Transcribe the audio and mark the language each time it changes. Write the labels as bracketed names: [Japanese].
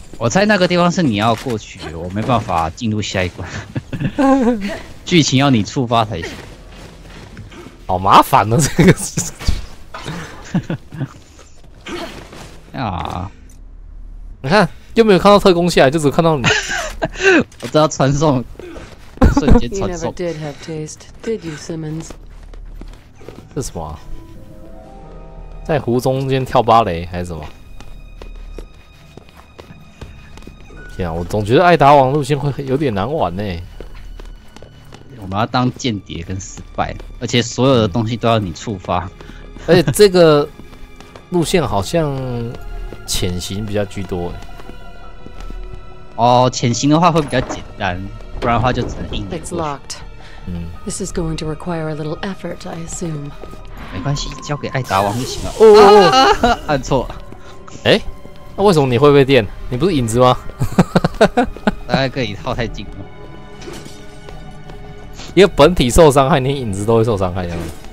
[Chinese] 我猜那个地方是你要过去，我没办法进入下一关，剧情要你触发才行。好麻烦呢、啊，这个是。啊！你看，又没有看到特工下来，就只看到你。我知道传送，瞬间传送。 [English] You never did have taste, did you, Simmons? [Chinese] 这是什么、啊？在湖中间跳芭蕾还是什么？天啊，我总觉得艾达王路线会有点难玩呢、欸。我们要当间谍跟失败，而且所有的东西都要你触发。而且这个路线好像潜行比较居多、欸。哦，潜行的话会比较简单，不然的话就只能硬着过去。 It's locked. [English] This is going to require a little effort, I assume. [Chinese] 没关系，交给艾达王就行了。哦，按错了。哎、欸，那为什么你会被电？你不是影子吗？大概跟你靠太近了。因为本体受伤害，连影子都会受伤害这样子。